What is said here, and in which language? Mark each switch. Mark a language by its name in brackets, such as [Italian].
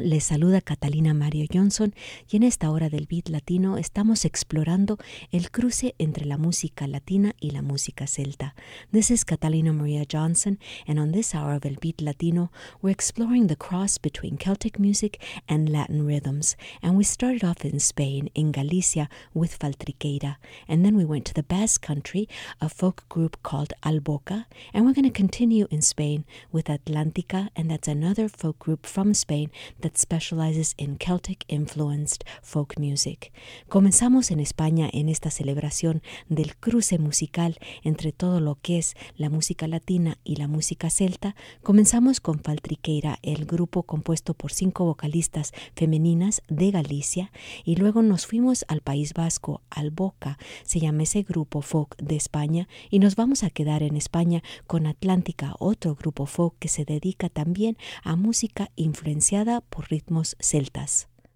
[Spanish] Les saluda Catalina Mario Johnson y en esta hora del Beat Latino estamos explorando el cruce entre la música latina y la música celta. [English] This is Catalina Maria Johnson and on this hour of el Beat Latino, we're exploring the cross between Celtic music and Latin rhythms. And we started off in Spain, in Galicia, with Faltriqueira. And then we went to the Basque Country, a folk group called Alboca. And we're going to continue in Spain with Atlántica and that's another folk group from Spain that specializes in Celtic-influenced folk music. [Spanish] Comenzamos en España en esta celebración del cruce musical entre todo lo que es la música latina y la música celta. Comenzamos con Faltriqueira, el grupo compuesto por 5 vocalistas femeninas de Galicia, y luego nos fuimos al País Vasco, Alboca, se llama ese grupo folk de España, y nos vamos a quedar en España con Atlántica, otro grupo folk que se dedica también a música influenciada por ritmos celtas.